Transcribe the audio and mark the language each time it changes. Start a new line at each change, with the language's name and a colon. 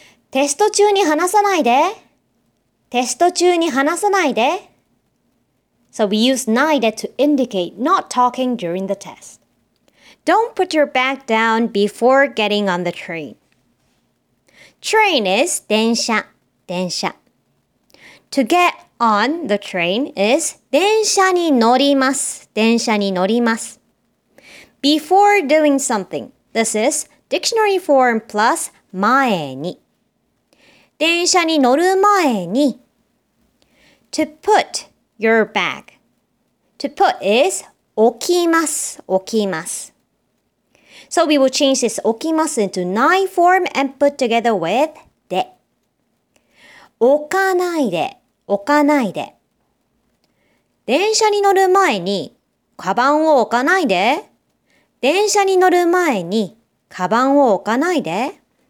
Japanese: テスト中に話さないで, テスト中に話さないで.
English: So we use naide to indicate not talking during the test. Don't put your bag down before getting on the train. Train is 電車, 電車.To get on the train is
Japanese: 電車に乗ります, 電車に乗ります.
English: Before doing something, this is dictionary form plus 前に.
Japanese: 電車に乗る前に.
English: To put your bag. To put is
Japanese: 置きます, 置きます.
English: So we will change this 置きます into nai form and put together with で.
Japanese: 置かないで, 置かないで.電車に乗る前にカバンを置かないで. 電車に乗る前にカバンを置かないで.